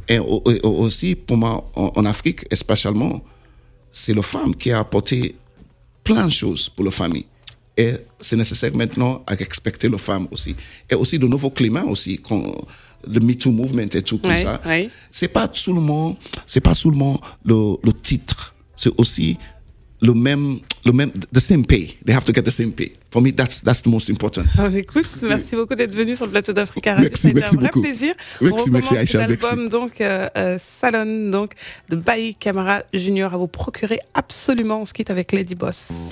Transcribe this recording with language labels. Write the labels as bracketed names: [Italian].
[French] Et aussi, pour moi, en Afrique, spécialement, c'est la femme qui a apporté plein de choses pour la famille. Et c'est nécessaire maintenant à respecter la femme aussi. Et aussi, le nouveau climat aussi, quand le MeToo movement et tout comme ça. Oui. C'est pas seulement le titre. C'est aussi le même, [English] the same pay. They have to get the same pay. For me, that's the most important. [French] Alors, écoute, merci beaucoup d'être venu sur le plateau d'Africa Radio. Merci beaucoup. On recommence l'album, donc, Salon, donc, de Baï Camara Junior, à vous procurer absolument. On se quitte avec Lady Boss.